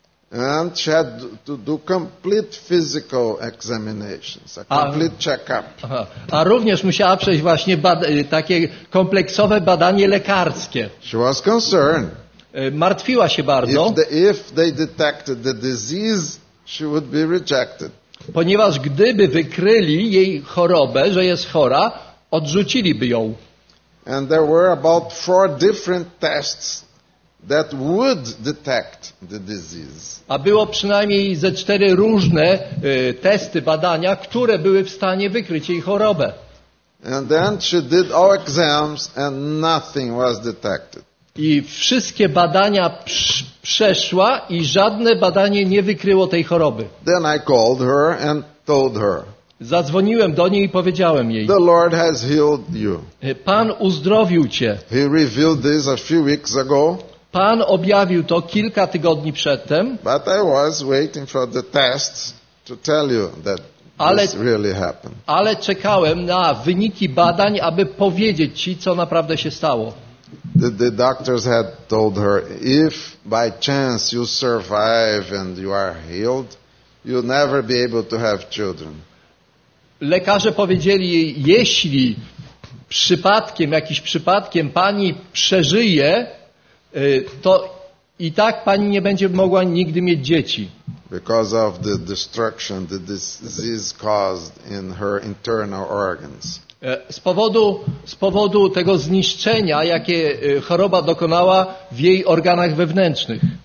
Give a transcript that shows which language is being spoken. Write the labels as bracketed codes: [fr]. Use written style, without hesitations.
[en] And she had to do complete physical examinations, a complete check-up. [pl] A również musiała przejść właśnie takie kompleksowe badanie lekarskie. [en] She was concerned. [pl] Martwiła się bardzo. [en] If they detected the disease, she would be rejected. [pl] Ponieważ gdyby wykryli jej chorobę, że jest chora, odrzuciliby ją. [en] And there were about 4 different tests that would detect the disease. [pl] A było przynajmniej ze 4 różne testy, badania, które były w stanie wykryć jej chorobę. [en] And then she did all exams and nothing was detected. [pl] I wszystkie badania przeszła i żadne badanie nie wykryło tej choroby. [en] Then I called her and told her. [pl] Zadzwoniłem do niej i powiedziałem jej. [en] The Lord has healed you. [pl] Pan uzdrowił cię. [en] He revealed this a few weeks ago. [pl] Pan objawił to kilka tygodni przedtem. [en] But I was waiting for the tests to tell you that this really happened. [pl] Ale czekałem na wyniki badań, aby powiedzieć ci, co naprawdę się stało. [en] The doctors had told her, if by chance you survive and you are healed, you'll never be able to have children. [pl] Lekarze powiedzieli jej, jeśli jakimś przypadkiem pani przeżyje, to i tak pani nie będzie mogła nigdy mieć dzieci. [en] Because of the destruction the disease caused in her internal organs. [pl] Z powodu tego zniszczenia, jakie choroba dokonała w jej organach wewnętrznych.